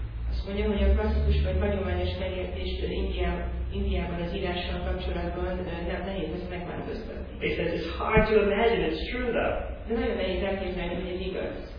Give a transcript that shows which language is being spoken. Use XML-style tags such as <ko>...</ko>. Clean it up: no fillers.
<hu>Azt mondja, hogy a klasszikus vagy hagyományos megértéstől Indiában az írással kapcsolatban nem nehéz ezt megváltoztatni.</hu> <en>He says it's hard to imagine, it's true though.</en> <hu>De nagyon nehéz elképzelni, hogy ez igaz.</hu>